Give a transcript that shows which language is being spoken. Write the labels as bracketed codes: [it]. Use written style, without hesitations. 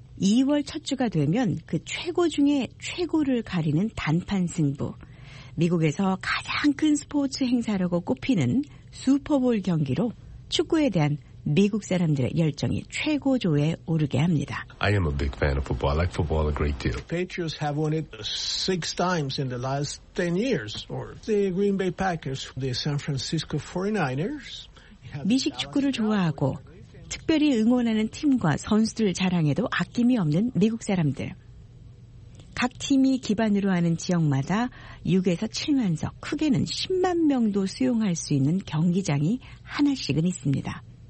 [ko] 2월 첫 주가 되면 그 최고 중에 최고를 가리는 단판 승부, 미국에서 가장 큰 스포츠 행사라고 꼽히는 슈퍼볼 경기로 축구에 대한 미국 사람들의 열정이 최고조에 오르게 합니다. [en] I am a big fan of football. I like football a great deal. Patriots have won it 6 times in the last 10 years. Or the Green Bay Packers, the San Francisco 49ers. [ko] 미식 축구를 좋아하고 특별히 응원하는 팀과 선수들 자랑에도 아낌이 없는 미국 사람들. 각 팀이 기반으로 하는 지역마다 6에서 7만 석, 크게는 10만 명도 수용할 수 있는 경기장이 하나씩은 있습니다.